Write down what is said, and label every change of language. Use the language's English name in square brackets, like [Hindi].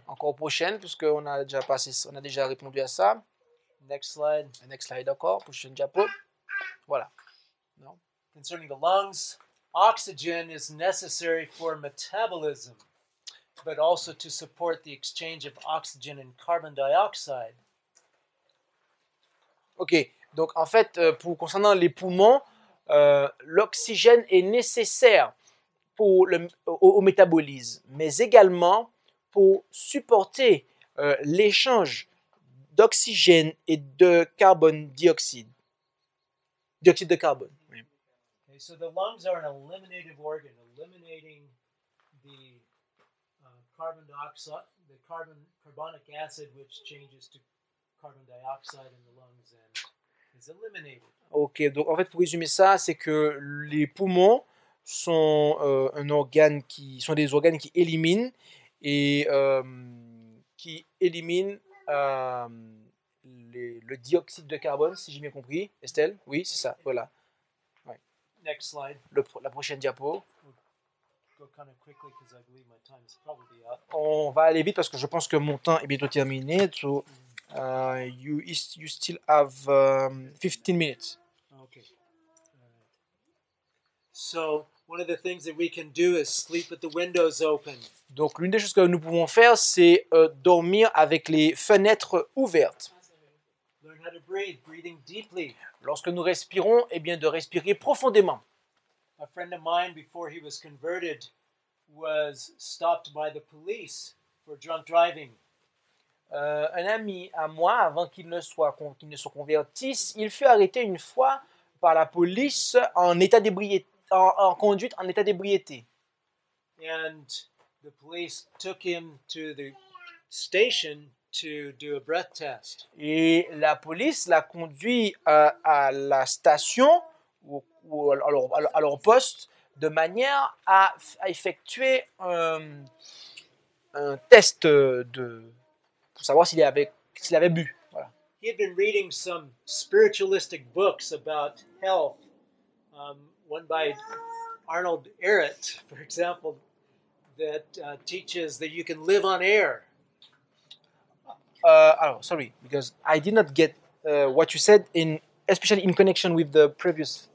[French] Encore prochaine, puisqu'on a déjà passé, on a déjà répondu à ça. [English] Next slide. Next slide, [French] encore prochaine diapo. Voilà. Non. [English] Concerning the lungs, oxygen is necessary for metabolism, but also to support the exchange of oxygen and carbon dioxide. [French] Ok, donc en fait, concernant les poumons, l'oxygène est nécessaire au métabolisme, mais également pour supporter l'échange d'oxygène et de carbone dioxyde. Dioxyde de carbone. Oui. [English] Okay, so the lungs are an eliminative organ, eliminating the carbon dioxide, the carbonic acid, which changes to carbon dioxide in the lungs and is eliminated. [French] Ok, donc en fait, pour résumer ça, c'est que les poumons sont des organes qui éliminent le dioxyde de carbone, si j'ai bien compris. Estelle, oui, c'est ça, voilà. Ouais. [English] Next slide. [French] La prochaine diapo. [English] Go kind of quickly because I believe my time is probably up. [French] On va aller vite parce que je pense que mon temps est bientôt terminé. [English] So, you still have 15 minutes. So, one of the things that we can do is sleep with the windows open. [French] Donc, l'une des choses que nous pouvons faire, c'est dormir avec les fenêtres ouvertes. [English] Learn how to breathe, breathing deeply. [French] Lorsque nous respirons, eh bien, de respirer profondément. [English] A friend of mine, before he was converted, was stopped by the police for drunk driving. [French] Un ami à moi, avant qu'il ne se convertisse, il fut arrêté une fois par la police en état d'ébriété. En conduite en état d'ébriété. [English] And the police took him to the station to do a breath test. [French] Et la police l'a conduit à la station ou à leur poste de manière à effectuer un test pour savoir s'il avait bu. Voilà. [English] He had been reading some spiritualistic books about health. One by Arnold Arendt, for example, that teaches that you can live on air. Sorry, because I did not get what you said, especially in connection with the previous.